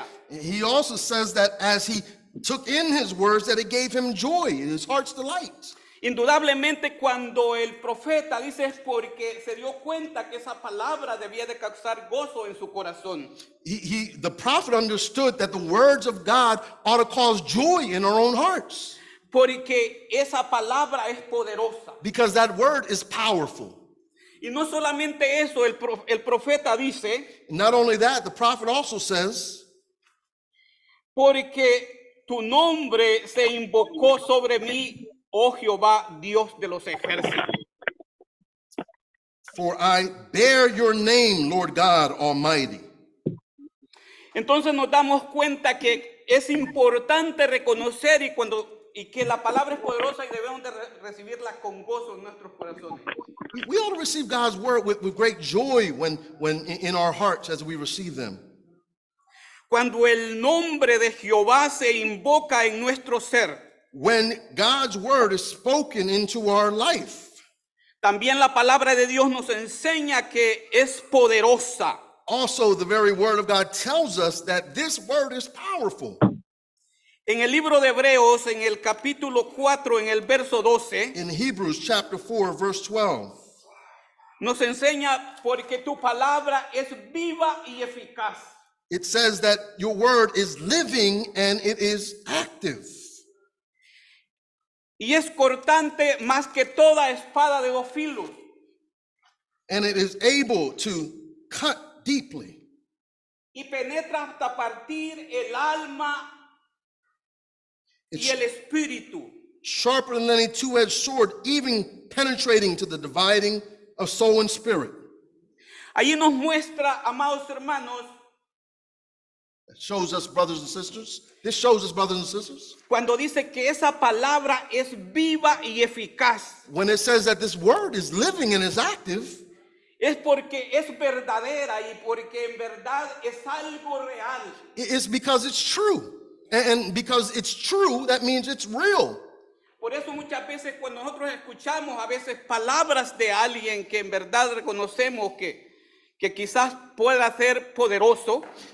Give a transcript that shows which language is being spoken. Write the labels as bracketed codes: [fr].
[en] He also says that as he took in his words, that it gave him joy and his heart's delight. [es] Indudablemente, cuando el profeta dice es porque se dio cuenta que esa palabra debía de causar gozo en su corazón. [en] The prophet understood that the words of God ought to cause joy in our own hearts. [es] Porque esa palabra es poderosa. [en] Because that word is powerful. [es] Y no solamente eso, el profeta dice. [en] Not only that, the prophet also says. [es] Porque tu nombre se invocó sobre mí, oh Jehová, Dios de los ejércitos. [en] For I bear your name, Lord God Almighty. [es] Entonces nos damos cuenta que es importante reconocer y cuando... Y que la palabra es poderosa y debemos de recibirla con gozo en nuestros corazones. [en] We ought to receive God's word with great joy when in our hearts as we receive them. [es] Cuando el nombre de Jehová se invoca en nuestro ser. [en] When God's word is spoken into our life. [es] También la palabra de Dios nos enseña que es poderosa. [en] Also, the very word of God tells us that this word is powerful. [es] En el libro de Hebreos, en el capítulo 4, en el verso 12. [en] In Hebrews chapter 4, verse 12. [es] Nos enseña porque tu palabra es viva y eficaz. [en] It says that your word is living and it is active. [es] Y es cortante más que toda espada de dos filos. [en] And it is able to cut deeply. [es] Y penetra hasta partir el alma y el espíritu. [en] Sharper than any two-edged sword, even penetrating to the dividing of soul and spirit. [es] Allí nos muestra, amados hermanos. [en] It shows us, brothers and sisters. This shows us, brothers and sisters. [es] Cuando dice que esa palabra es viva y eficaz. [en] When it says that this word is living and is active. [es] Es porque es verdadera y porque en verdad es algo real. [en] It's because it's true. And because it's true, that means it's real. [es] Por eso muchas veces cuando nosotros escuchamos a veces palabras de alguien que en verdad reconocemos que quizás pueda ser poderoso.